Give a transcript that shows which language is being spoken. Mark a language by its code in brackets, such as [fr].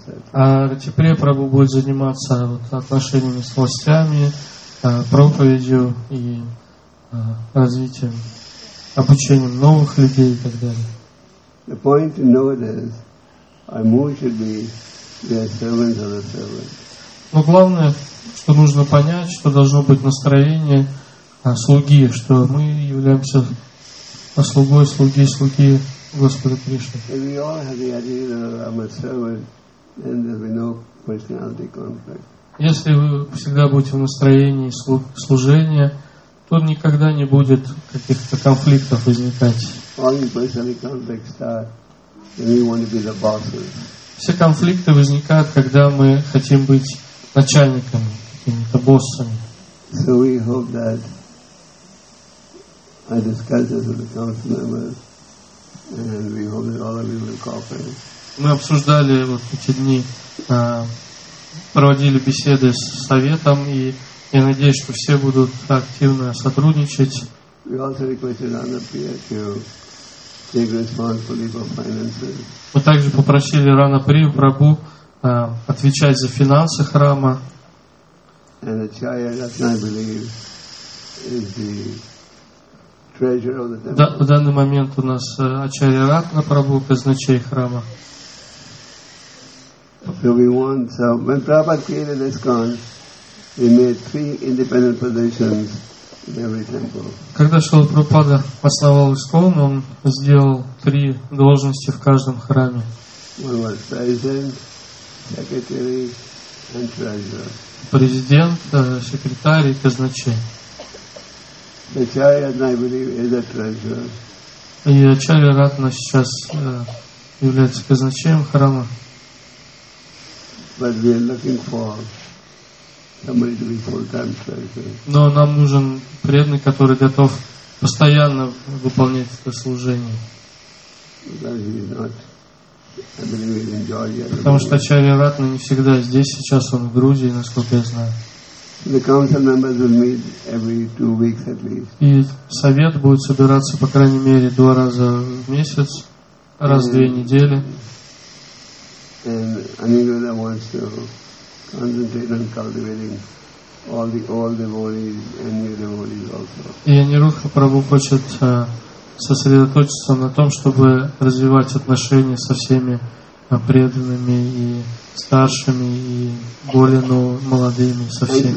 [en] А Ратиприя Прабху будет заниматься вот, отношениями с властями, проповедью и развитием, обучением новых людей и так далее. The point to note is, our move should be the servants of the servants. [ru] Но главное, что нужно понять, что должно быть настроение слуги, что мы являемся слугой, слуги, слуги. Господа Кришна. [en] If we all have the idea that I'm a servant, then there will be no personality conflict. [ru] Если вы всегда будете в настроении служения, то никогда не будет каких-то конфликтов возникать. [en] All personality conflicts start when we want to be the bosses. [ru] Все конфликты возникают, когда мы хотим быть начальниками, какими-то боссами. [en] So we hope that I discuss this with the council members. And we hope that all of you will cooperate. [ru] Мы обсуждали вот эти дни, проводили беседы с советом, и я надеюсь, что все будут активно сотрудничать. [en] We also requested Ranapriya to take responsibility for finances. [ru] Мы также попросили Ранаприю Прабу отвечать за финансы храма. [en] And Ачария Радна, I believe, is the [ru] Да, в данный момент у нас Ачария Радна Прабху, казначей храма. [en] So we want, so when Prabhupada created this con, we made three independent positions in every temple. [ru] Когда Шрила Прабхупада основал ИСКОН, он сделал три должности в каждом храме. [en] One was president, secretary, and treasurer. [ru] Президент, секретарь и казначей. [en] Ачария Радна, I believe, is a treasurer. [ru] И Ачария Радна сейчас является казначеем храма. [en] But we are looking for somebody to be full-time treasurer. [ru] Но нам нужен преданный, который готов постоянно выполнять это служение. Потому что Ачарья Ратна не всегда здесь, сейчас он в Грузии, насколько я знаю. [en] The council members will meet every 2 weeks at least. [ru] И совет будет собираться по крайней мере 2 раза в месяц, раз в 2 недели. [en] And Aniruddha wants to concentrate on cultivating all the devotees and new devotees also. [ru] И Анирудха Прабху хочет сосредоточиться на том, чтобы развивать отношения со всеми преданными и старшими, и более молодыми, со